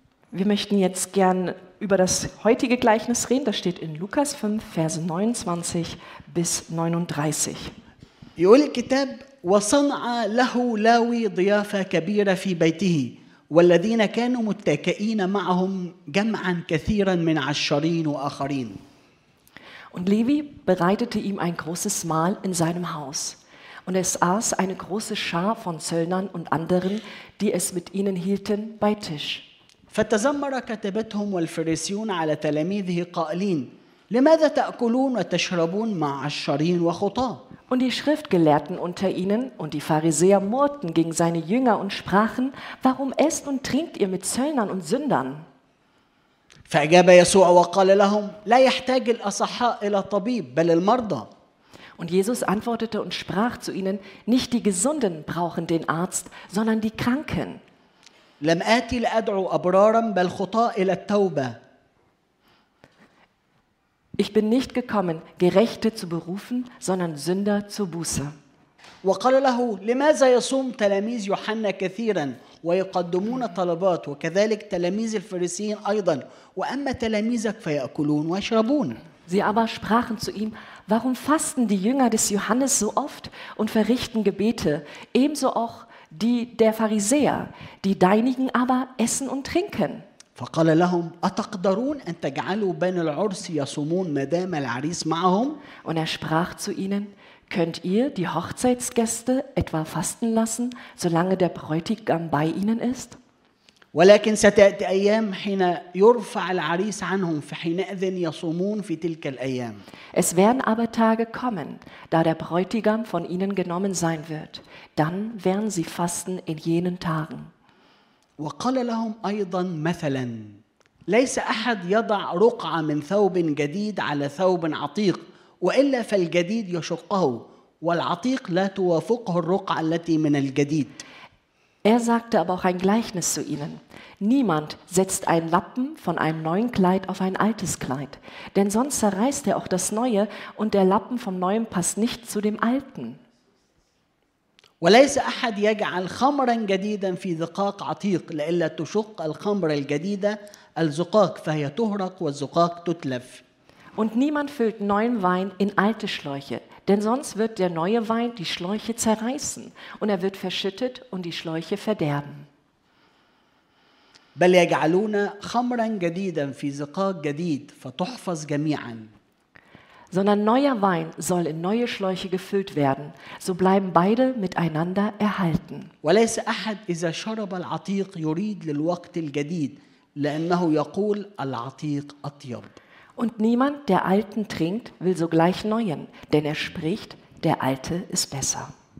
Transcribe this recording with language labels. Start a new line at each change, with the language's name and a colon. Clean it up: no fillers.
German: Wir möchten jetzt gern über das heutige Gleichnis reden. Das steht in Lukas 5, Vers 29 bis 39.
Arabic: يقول الكتاب وصنع له لاوي ضيافة كبيرة في بيته والذين كانوا متكئين معهم جمعا كثيرا من عشرين وآخرين.
German: Und Levi bereitete ihm ein großes Mahl in seinem Haus. Und es aß eine große Schar von Zöllnern und anderen, die es mit ihnen hielten, bei Tisch.
Arabic: فتذمر كتبتهم والفريسيون على تلاميذه قائلين لماذا تأكلون وتشربون مع عشرين وخطاة؟
German: Und die Schriftgelehrten unter ihnen und die Pharisäer murrten gegen seine Jünger und sprachen, warum esst und trinkt ihr mit Zöllnern und Sündern?
Arabic: فأجاب يسوع وقال لهم لا يحتاج الأصحاء إلى طبيب بل المرضى.
German: Und Jesus antwortete und sprach zu ihnen, nicht die Gesunden brauchen den Arzt, sondern die Kranken.
Arabic: لم آتي لأدعو أبرارا بل خطاة إلى التوبة.
German: Ich bin nicht gekommen, Gerechte zu berufen, sondern Sünder zur Buße.
Arabic: وقال له لماذا يصوم تلاميذ يوحنا كثيرا ويقدمون طلبات وكذلك تلاميذ الفريسيين أيضا وأما تلاميذك فيأكلون ويشربون.
German: Sie aber sprachen zu ihm, warum fasten die Jünger des Johannes so oft und verrichten Gebete, ebenso auch die der Pharisäer, die deinigen aber essen und trinken.
Arabic: فقال لهم أتقدرون أن تجعلوا بين العرس يصومون ما دام العريس معهم؟
German: Und er sprach zu ihnen, könnt ihr die Hochzeitsgäste etwa fasten lassen, solange der Bräutigam bei ihnen ist?
Arabic: ولكن ستأتي أيام حين يرفع العريس عنهم فحينئذ يصومون في تلك الأيام.
German: Es werden aber Tage kommen, da der Bräutigam von ihnen genommen sein wird. Dann werden sie fasten in jenen Tagen.
Arabic: وقال لهم أيضا مثلا ليس أحد يضع رقعة من ثوب جديد على ثوب عتيق وإلا فالجديد يشقه والعتيق لا توافقه الرقعة التي من الجديد.
German: Er sagte aber auch ein Gleichnis zu ihnen. Niemand setzt einen Lappen von einem neuen Kleid auf ein altes Kleid, denn sonst zerreißt er auch das Neue und der Lappen vom Neuen passt nicht zu dem Alten.
Arabic: وليس أحد يجعل خمرا جديدا في زقاق عتيق لإلا تشق الخمر الجديدة الزقاق فهي تهرق والزقاق تتلف.
German: Und niemand füllt neuen Wein in alte Schläuche, denn sonst wird der neue Wein die Schläuche zerreißen und er wird verschüttet und die Schläuche verderben.
Arabic: بل يجعلون خمرا جديدا في زقاق جديد فتحفظ جميعا.
German: Sondern neuer Wein soll in neue Schläuche gefüllt werden, so bleiben beide miteinander erhalten.
Arabic: وليس أحد إذا شرب العتيق يريد للوقت الجديد لأنه يقول العتيق أطيب.
German: Und niemand, der Alten trinkt, will sogleich Neuen, denn er spricht, der Alte ist besser.